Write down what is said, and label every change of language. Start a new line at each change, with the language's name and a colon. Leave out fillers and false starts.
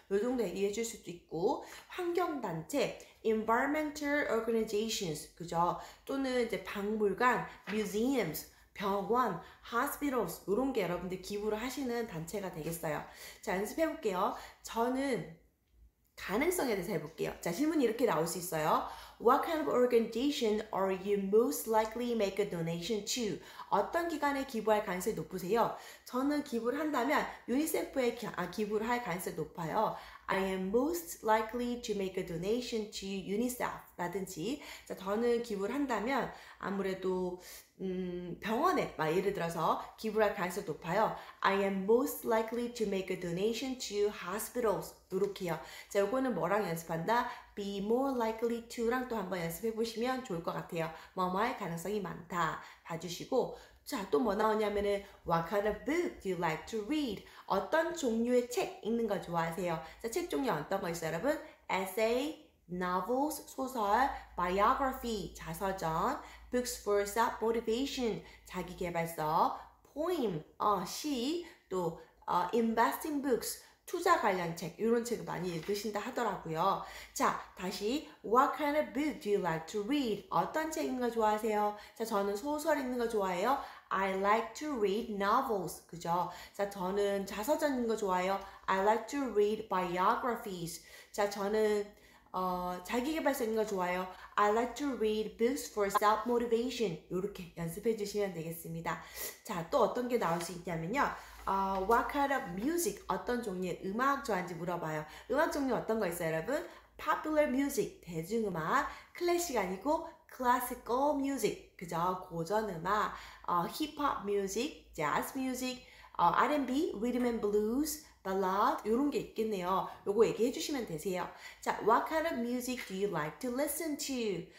Korean: 요 정도 얘기해 줄 수도 있고 환경단체
English: environmental organizations.
Korean: 그죠? 또는 이제 박물관 museums 병원 hospitals. 요런 게 여러분들 기부를 하시는 단체가 되겠어요. 자, 연습해 볼게요. 저는 가능성에 대해서 해볼게요. 자, 질문이 이렇게 나올 수 있어요.
English: What kind of organization are you most likely make a donation to?
Korean: 어떤 기관에 기부할 가능성이 높으세요? 저는 기부를 한다면 유니세프에 기부를 할 가능성이 높아요.
English: I am most likely to make a donation to UNICEF라든지.
Korean: 자, 저는 기부를 한다면 아무래도 병원에 막 예를 들어서 기부할 가능성이 높아요.
English: I am most likely to make a donation to hospitals.
Korean: 이렇게요. 자, 요거는 뭐랑 연습한다?
English: Be more likely to
Korean: 랑 또 한번 연습해 보시면 좋을 것 같아요. 뭐뭐할 가능성이 많다. 봐주시고. 자, 또뭐 나오냐면은
English: What kind of book do you like to read?
Korean: 어떤 종류의 책 읽는 거 좋아하세요? 자, 책 종류 어떤 거 있어요, 여러분? Essay, novels, 소설, biography, 자서전,
English: books for self-motivation,
Korean: 자기계발서, poem, 시, 또 investing books, 투자 관련 책, 이런 책을 많이 읽으신다 하더라고요. 자, 다시
English: What kind of book do you like to read?
Korean: 어떤 책 읽는 거 좋아하세요? 자, 저는 소설 읽는 거 좋아해요.
English: I like to read novels.
Korean: 그죠? 자, 저는 자서전 읽는 거 좋아해요.
English: I like to read biographies.
Korean: 자, 저는 자기계발서 읽는 거 좋아해요.
English: I like to read books for self-motivation.
Korean: 이렇게 연습해 주시면 되겠습니다. 자, 또 어떤 게 나올 수 있냐면요.
English: What kind of music?
Korean: 어떤 종류의 음악 좋아하는지 물어봐요. 음악 종류 어떤 거 있어요, 여러분? Popular music, 대중음악, 클래식 아니고 classical music, 그죠?
English: 고전음악, hip-hop music, jazz music, R&B, rhythm and blues, ballad,
Korean: 요런 게 있겠네요. 요거 얘기해 주시면 되세요.
English: 자, what kind of music do you like to listen to?